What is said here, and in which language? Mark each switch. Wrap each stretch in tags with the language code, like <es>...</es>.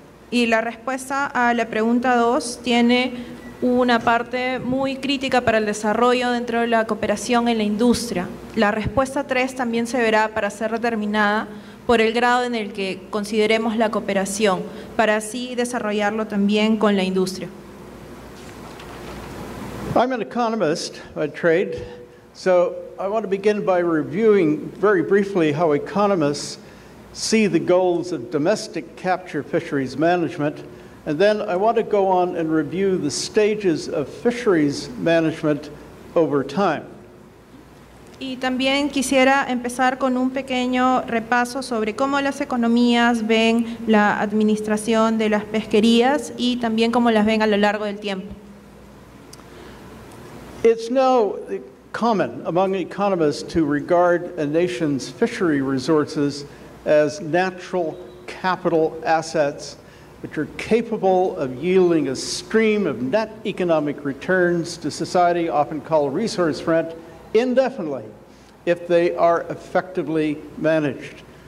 <es>Y la respuesta a la pregunta 2 tiene una parte muy crítica para el desarrollo dentro de la cooperación en la industria. La respuesta 3 también se verá para ser determinada por el grado en el que consideremos la cooperación para así desarrollarlo también con la industria.</es> <en>I'm an economist by trade, so I want to begin by reviewing very briefly how economists see the goals of domestic capture fisheries management, and then I want to go on and review the stages of fisheries management over time.</en> <es>Y también quisiera empezar con un pequeño repaso sobre cómo las economías ven la administración de las pesquerías y también cómo las ven a lo largo del tiempo.</es> <en>It's now common among economists to regard a nation's fishery resources as natural capital assets, which are capable of yielding a stream of net economic returns to society, often called resource rent, indefinitely, if they are effectively managed.</en>